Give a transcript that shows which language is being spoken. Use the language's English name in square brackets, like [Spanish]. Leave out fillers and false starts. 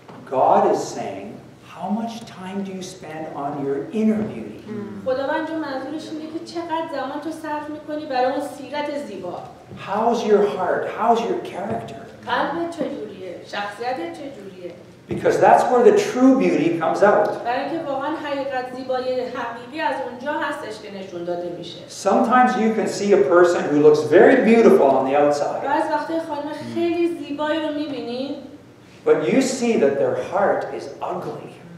[English] God is saying, how much time do you spend on your inner beauty? [Persian] خداوند جو منظورش اینه که چقدر زمان تو صرف می‌کنی برای اون سیرت زیبا. [English] How's your heart? How's your character? [Persian] قلبت چجوریه؟ شخصیتت چجوریه؟ [English] Because that's where the true beauty comes out. [Persian] برای اینکه واقعا حقیقت زیبایی حقیقی از اونجا هستش که نشون داده میشه. [English] Sometimes you can see a person who looks very beautiful on the outside. [Persian] بعضی وقتا خانم خیلی زیبایی رو می‌بینی. [English] But you see that their heart is ugly.